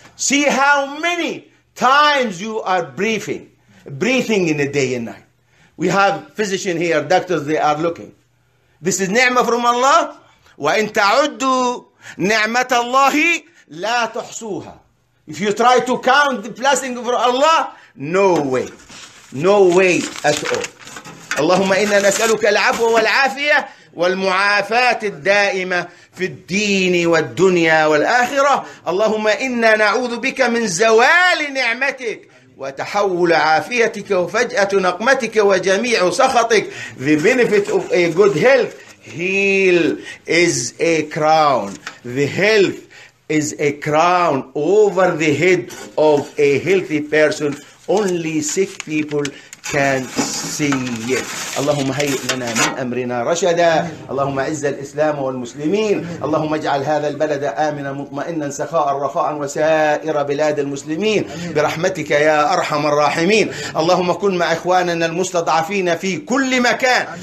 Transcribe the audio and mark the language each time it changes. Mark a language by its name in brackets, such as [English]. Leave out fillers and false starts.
[English] See how many times you are breathing in the day and night. We have physicians here, doctors, they are looking. This is ni'mah from Allah. [Arabic] وَإِن تَعُدُّوا نِعْمَةَ اللَّهِ لَا تُحْصُوهَا. [English] If you try to count the blessing of Allah, no way. No way at all. [Arabic] اللهم إنا نسألك العفو والعافية والمعافاة الدائمة في الدين والدنيا والآخرة. اللهم إنا نعوذ بك من زوال نعمتك وتحول عافيتك وفجأة نقمتك وجميع سخطك. [English] The benefit of a good health, heal is a crown. The health is a crown over the head of a healthy person. Only sick people can see it. [Arabic] اللهم هيئ لنا من أمرنا رشدا. اللهم عز الإسلام والمسلمين. اللهم اجعل هذا البلد آمنا مطمئنا سخاء رخاء وسائر بلاد المسلمين برحمتك يا أرحم الراحمين. اللهم كن مع إخواننا المستضعفين في كل مكان.